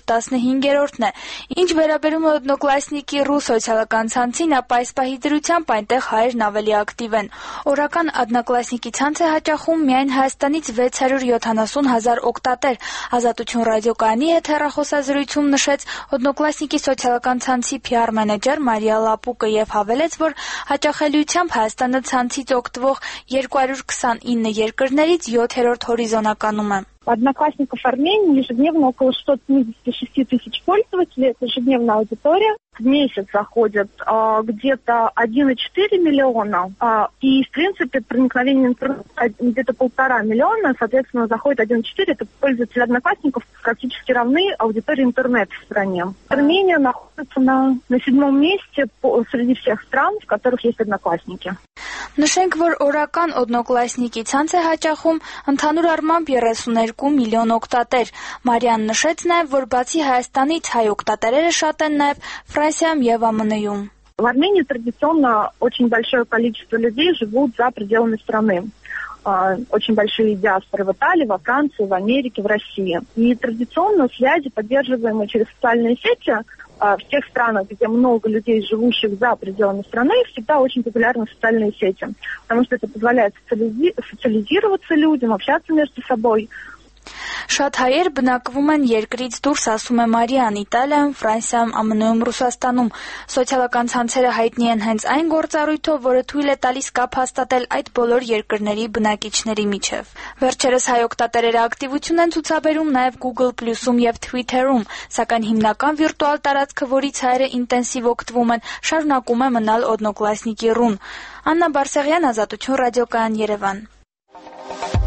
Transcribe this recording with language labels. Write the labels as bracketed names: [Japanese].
[Armenian] 15-րդն է։ Ինչ վերաբերում է Օդնոկլասնիկի ռուս սոցիալական ցանցին, ապա այս պահի դրությամբ այնտեղ հայերն ավելի ակտիվ են։ Օրական Օդնոկլասնիկի ցանցը հաճախում միայն Հայաստանից 670,000 օգտատեր։ Ազատություն ռադիոկայանի հետ հեռախոսազրույցում նշեց Օդնոկլասնիկի սոցիալական ցանցի PR մենեջեր Մարիա Լապուկը եւ հավելեց, որ հաճախելիությամբ Հայաստանը ցանցից օգտվող 229 երկրներից 7-րդ հորիզոնականում է։ [Russian] Одноклассников Армении ежедневно около 176,000 пользователей, это ежедневная аудитория. В месяц заходят где-то 1,4 миллиона, и в принципе проникновение интернета где-то 1,5 миллиона, соответственно, заходит 1,4, это пользователи одноклассников практически равны аудитории интернет в стране. Армения находится на 7-м месте среди всех стран, в которых есть одноклассники. [Armenian] Նշենք, որ օրական Օդնոկլասնիկի ցանց է հաճախում ընդհանուր առմամբ 32 միլիոն օգտատեր։ Մարիան նշեց նաև, որ բացի Հայաստանից հայ օգտատերերը շատ են նաև Ֆրանսիայում եւ ԱՄՆ-ում։ [Russian] В Армении традиционно очень большое количество людей живут за пределами страны. Очень большие диаспоры в Италии, во Франции, в Америке, в России. И традиционно связи, поддерживаемые через социальные сети, в тех странах, где много людей, живущих за пределами страны, всегда очень популярны социальные сети, потому что это позволяет социализироваться людям, общаться между собой. [Armenian] Շատ հայեր բնակվում են երկրից դուրս, ասում է Մարիան, Իտալիայում, Ֆրանսիայում, ԱՄՆ-ում, Ռուսաստանում։ Սոցիալական ցանցերը հայտնի են հենց այն գործառույթով, որը թույլ է տալիս կապ հաստատել այդ բոլոր երկրների բնակիչների միջև։ Վերջերս հայ օգտատերերը ակտիվություն են ցուցաբերում նաև Google Plus-ում եւ Twitter-ում, սակայն հիմնական վիրտուալ տարածքը, որից հայերը ինտենսիվ օգտվում են, շարունակում է մնալ Օդնոկլասնիկի ռուն։ Աննա Բարսեղյան, Ազատություն ռադիոկայան, Երևան։